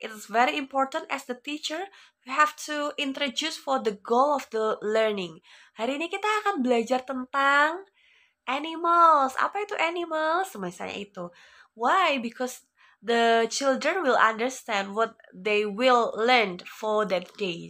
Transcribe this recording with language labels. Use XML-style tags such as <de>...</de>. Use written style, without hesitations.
<en>It's very important as the teacher, you have to introduce for the goal of the learning.</en> <id>Hari ini kita akan belajar tentang animals. Apa itu animals? Misalnya itu.</id> <en>Why? Because the children will understand what they will learn for that day.</en>